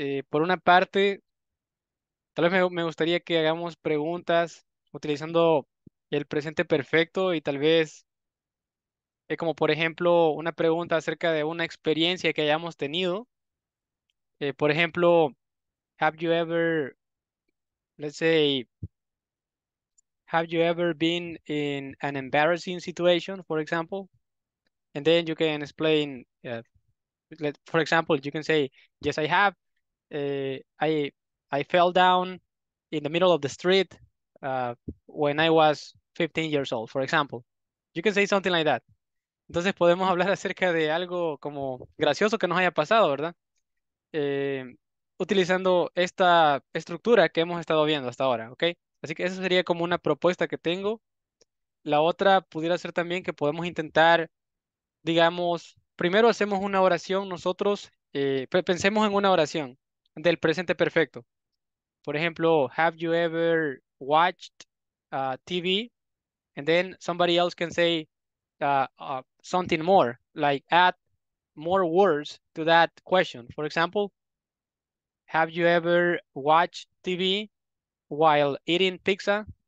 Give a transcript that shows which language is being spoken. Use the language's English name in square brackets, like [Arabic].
[Spanish] Por una parte, tal vez me gustaría que hagamos preguntas utilizando el presente perfecto y tal vez, como por ejemplo, una pregunta acerca de una experiencia que hayamos tenido. Por ejemplo, [English] have you ever, let's say, have you ever been in an embarrassing situation, for example? And then you can explain, for example, you can say, yes, I have. I fell down in the middle of the street when I was 15 years old, for example. You can say something like that. [Spanish] Entonces podemos hablar acerca de algo como gracioso que nos haya pasado, ¿verdad? Utilizando esta estructura que hemos estado viendo hasta ahora, ¿ok? Así que esa sería como una propuesta que tengo. La otra pudiera ser también que podemos intentar, digamos, primero hacemos una oración nosotros, pensemos en una oración del presente perfecto. Por ejemplo, [English] have you ever watched TV? And then somebody else can say something more, like add more words to that question. For example, have you ever watched TV while eating pizza?